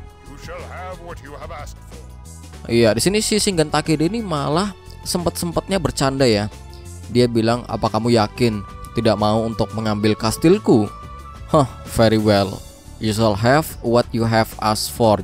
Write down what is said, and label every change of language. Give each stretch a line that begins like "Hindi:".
English: You shall have what you have asked for.
Indonesian: Iya, di sini si Shingen Takeda ini malah sempat-sempatnya bercanda ya. Dia bilang, apa kamu yakin tidak mau untuk mengambil kastilku?
English: Huh, very well. You shall have what you have asked for.